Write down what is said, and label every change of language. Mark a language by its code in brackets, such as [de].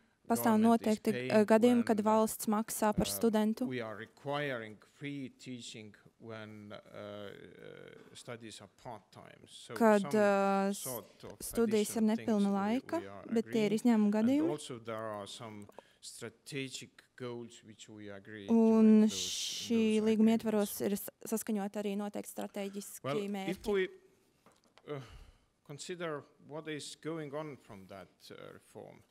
[lv] pastāv noteikti gadījumi, kad valsts maksā par studentu. [en] We are requiring free teaching when studies are part-time. So [lv] kad studijas ir nepilna laika, bet tie ir izņēmuma gadījumi. [en] And also there are some strategic goals which we agree. [lv] Un šī līguma ietvaros ir saskaņot arī noteikti strateģiski mērķi. [en] Consider what is going on from that reform.